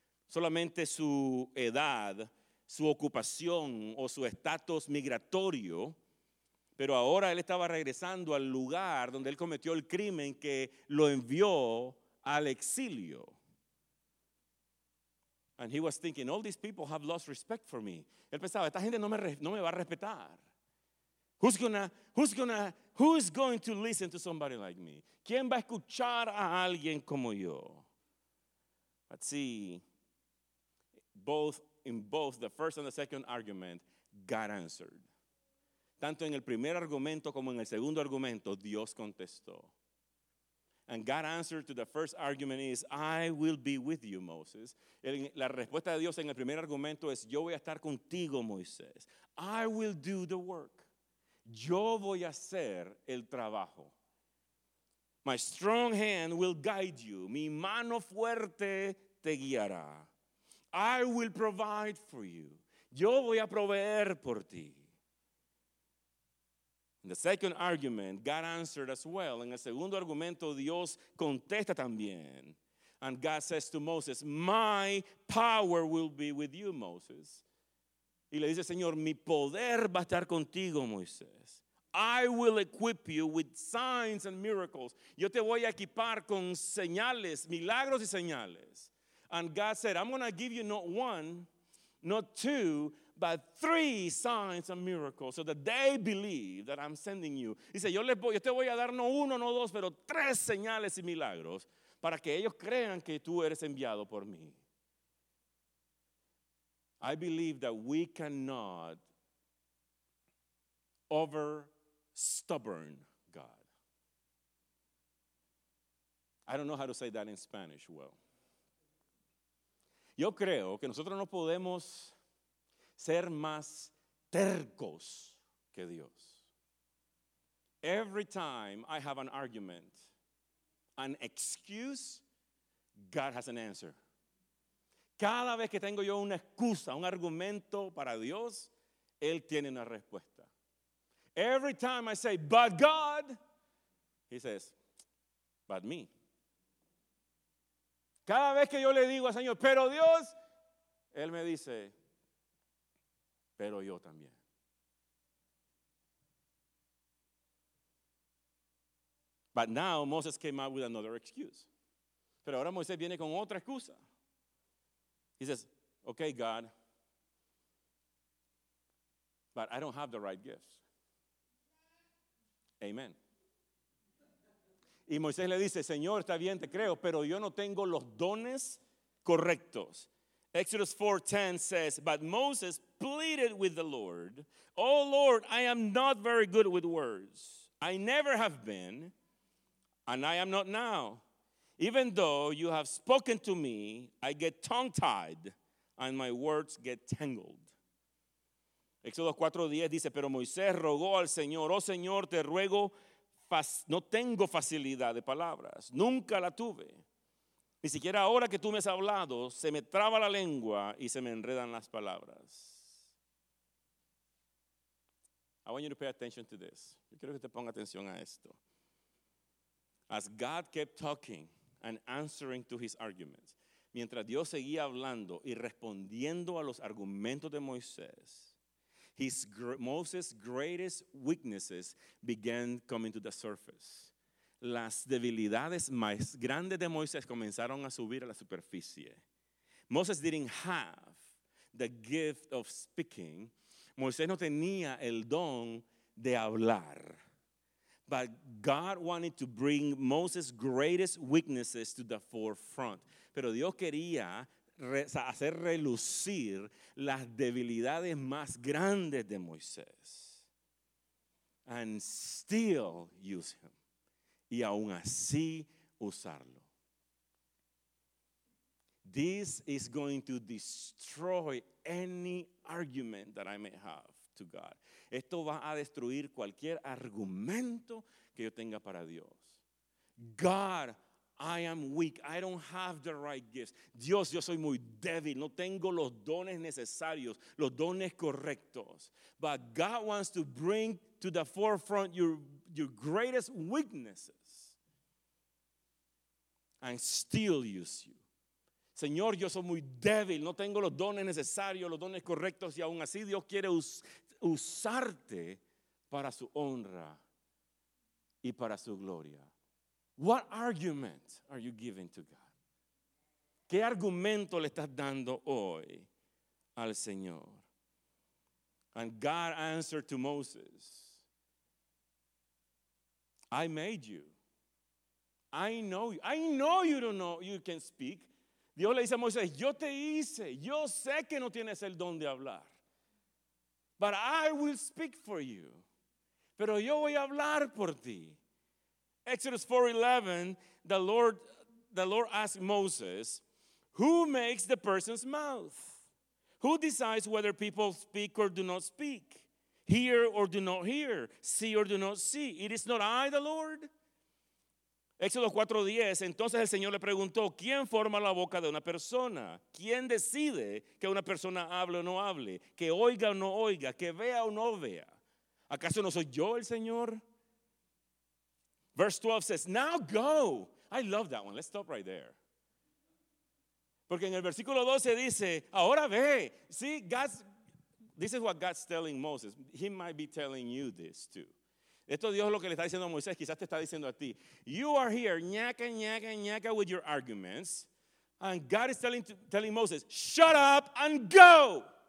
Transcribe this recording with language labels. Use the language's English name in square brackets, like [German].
[Spanish] solamente su edad, su ocupación o su estatus migratorio, pero ahora él estaba regresando al lugar donde él cometió el crimen que lo envió al exilio. [English] And he was thinking, all these people have lost respect for me. [Spanish] Él pensaba, esta gente no me va a respetar. [English] Who's going to listen to somebody like me? [Spanish] ¿Quién va a escuchar a alguien como yo? [English] But see, in both the first and the second argument, God answered. [Spanish] Tanto en el primer argumento como en el segundo argumento, Dios contestó. [English] And God's answer to the first argument is, I will be with you, Moses. [Spanish] La respuesta de Dios en el primer argumento es, yo voy a estar contigo, Moisés. [English] I will do the work. [Spanish] Yo voy a hacer el trabajo. [English] My strong hand will guide you. [Spanish] Mi mano fuerte te guiará. [English] I will provide for you. [Spanish] Yo voy a proveer por ti. [English] In the second argument, God answered as well. [Spanish] En el segundo argumento, Dios contesta también. [English] And God says to Moses, my power will be with you, Moses. [Spanish] Y le dice, Señor, mi poder va a estar contigo, Moisés. [English] I will equip you with signs and miracles. [Spanish] Yo te voy a equipar con señales, milagros y señales. [English] And God said, I'm going to give you not one, not two, but three signs and miracles so that they believe that I'm sending you. [Spanish] Dice, yo te voy a dar no uno, no dos, pero tres señales y milagros para que ellos crean que tú eres enviado por mí. [English] I believe that we cannot over-stubborn God. I don't know how to say that in Spanish well. [Spanish] Yo creo que nosotros no podemos ser más tercos que Dios. [English] Every time I have an argument, an excuse, God has an answer. [Spanish] Cada vez que tengo yo una excusa, un argumento para Dios, Él tiene una respuesta. [English] Every time I say, but God, He says, but me. [Spanish] Cada vez que yo le digo al Señor, pero Dios, Él me dice, pero yo también. [English] But now Moses came up with another excuse. [Spanish] Pero ahora Moisés viene con otra excusa. [English] He says, okay, God, but I don't have the right gifts. Amen. [Spanish] Y Moisés le dice, Señor, está bien, te creo, pero yo no tengo los dones correctos. [English] Exodus 4:10 says, but Moses pleaded with the Lord, oh Lord, I am not very good with words. I never have been, and I am not now. Even though you have spoken to me, I get tongue-tied, and my words get tangled. [Spanish] Exodus 4:10 dice, pero Moisés rogó al Señor, oh Señor, te ruego, no tengo facilidad de palabras, nunca la tuve. Ni siquiera ahora que tú me has hablado, se me traba la lengua y se me enredan las palabras. [English] I want you to pay attention to this. [Spanish] Yo quiero que te ponga atención a esto. [English] As God kept talking and answering to his arguments, [Spanish] mientras Dios seguía hablando y respondiendo a los argumentos de Moisés, [English] Moses' greatest weaknesses began coming to the surface. [Spanish] Las debilidades más grandes de Moisés comenzaron a subir a la superficie. [English] Moses didn't have the gift of speaking. [Spanish] Moisés no tenía el don de hablar. [English] But God wanted to bring Moses' greatest weaknesses to the forefront. [Spanish] Pero Dios quería hacer relucir las debilidades más grandes de Moisés. [English] And still use him. [Spanish] Y aún así usarlo. [English] This is going to destroy any argument that I may have to God. [Spanish] Esto va a destruir cualquier argumento que yo tenga para Dios. [English] God, I am weak. I don't have the right gifts. [Spanish] Dios, yo soy muy débil. No tengo los dones necesarios, los dones correctos. [English] But God wants to bring to the forefront your greatest weaknesses and still use you. [Spanish] Señor, yo soy muy débil, no tengo los dones necesarios, los dones correctos, y aún así Dios quiere usarte para su honra y para su gloria. [English] What argument are you giving to God? [Spanish] ¿Qué argumento le estás dando hoy al Señor? [English] And God answered to Moses, I made you. I know you. I know you don't know you can speak. [Spanish] Dios le dice a Moisés, yo te hice, yo sé que no tienes el don de hablar. [English] But I will speak for you. [Spanish] Pero yo voy a hablar por ti. [English] Exodus 4:11, the Lord asked Moses, who makes the person's mouth? Who decides whether people speak or do not speak? Hear or do not hear? See or do not see? It is not I, the Lord. [Spanish] Éxodo 4:10, entonces el Señor le preguntó, ¿quién forma la boca de una persona? ¿Quién decide que una persona hable o no hable? ¿Que oiga o no oiga? ¿Que vea o no vea? ¿Acaso no soy yo el Señor? [English] Verse 12 says, now go. I love that one. Let's stop right there. [Spanish] Porque en el versículo 12 dice, ahora ve. [English] See, God's, this is what God's telling Moses. He might be telling you this too. [Spanish] Esto Dios lo que le está diciendo a Moisés, quizás te está diciendo a ti. [English] You are here, ñaca, ñaca, ñaca with your arguments. And God is telling Moses, shut up and go.